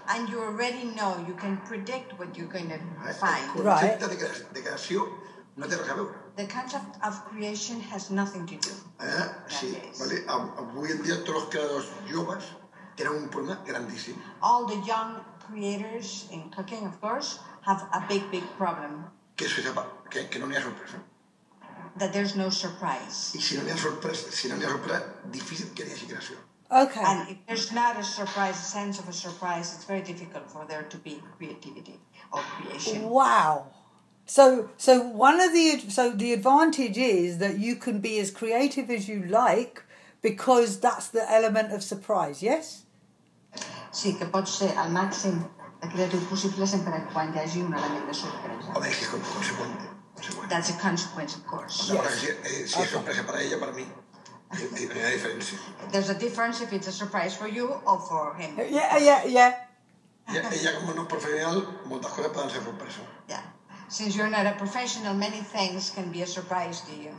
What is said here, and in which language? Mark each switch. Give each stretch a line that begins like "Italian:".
English: And you already know, you can predict what you're going to find.
Catalan: El concepte de creació no té res a veure.
English: The concept of creation has nothing to do.
Catalan: Sí, vale. Avui en dia tots els creadors joves tenen un problema grandíssim.
English: All the young creators in cooking, of course, have a big, big problem.
Spanish: Que se sepa,
Catalan: que no n'hi ha sorpresa.
English: That there's no surprise.
Catalan: I si no n'hi ha sorpresa, difícil que n'hi hagi creació.
English: Okay. And if there's not a surprise, a sense of a surprise, it's very difficult for there to be creativity or creation. Wow. So one of the advantage is that you can be as creative as you like because that's the element of surprise, yes?
Catalan: Sí, que pots ser al màxim de creatiu possible sempre quan hi hagi un element de sorpresa. Home, és que és conseqüent.
English: That's a consequence, of course. Yes.
Catalan: Si és sorpresa per a ella, per a mi, hi ha diferència.
English: There's a difference if it's a surprise for you or for him. Yeah.
Catalan: Ella, com no professional, moltes coses poden ser sorpresa.
English: Yeah. Since you're not a professional, many things can be a surprise to you.